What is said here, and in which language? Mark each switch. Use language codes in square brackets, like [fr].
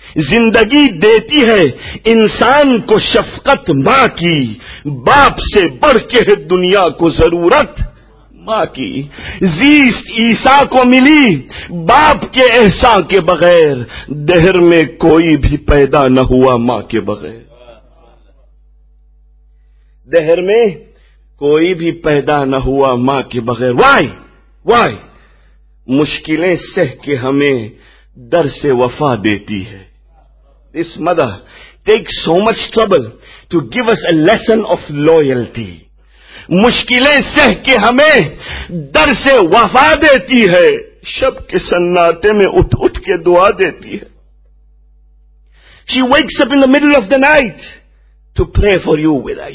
[ur] زندگی دیتی ہے انسان کو شفقت ماں کی باپ سے بڑھ کے ہے دنیا کو ضرورت ماں کی زیست عیسیٰ کو ملی باپ کے احسان کے بغیر دہر میں کوئی بھی پیدا نہ ہوا ماں کے بغیر دہر میں کوئی بھی پیدا نہ ہوا ماں کے بغیر. [en] Why why? [ur] مشکلیں سہ کے ہمیں در سے وفا دیتی ہے. [en] This mother take so much trouble to give us a lesson of loyalty. [ur] مشکلیں سہ کے ہمیں در سے وفا دیتی ہے, شب کے سناٹے میں اٹھ اٹھ کے دعا دیتی ہے. [en] She wakes up in the middle of the night to pray for you with her.